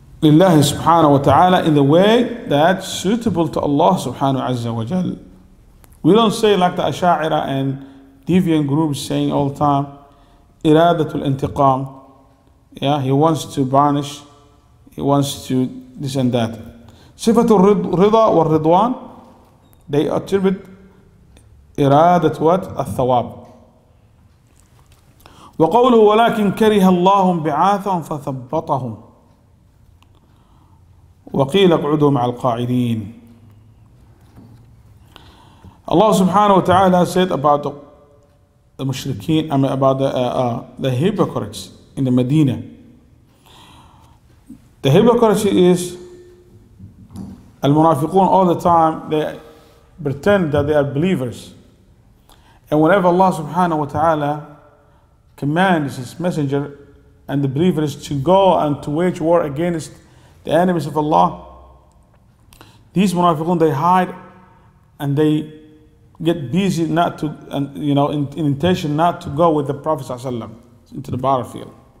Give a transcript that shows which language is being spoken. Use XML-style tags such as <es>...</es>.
<ar>لله سبحانه وتعالى</ar> <en>in the way that's suitable to Allah</en> <ar>سبحانه عز وجل.</ar> <en>We don't say like the Asha'ira and deviant groups saying all the time,</en> <ar>إرادة الانتقام.</ar> <en>Yeah, he wants to banish, he wants to this and that.</en> <ar>صفة الرضا والرضوان,</ar> <en>they attribute</en> <ar>إرادة</ar> <en>what?</en> <ar>الثواب. وقوله ولكن كره الله بعاثهم فثبطهم وقيل اقعدوا مع القاعدين.</ar> <en>Allah subhanahu wa ta'ala said about the mushrikeen, I mean about the hypocrites in the Medina. The hypocrisy is المنافقون, all the time they pretend that they are believers, and whenever Allah subhanahu wa ta'ala commands his messenger and the believers to go and to wage war against the enemies of Allah, these munafiqun, they hide and they get busy not to, and you know, in intention not to go with the Prophet ﷺ into the battlefield.</en>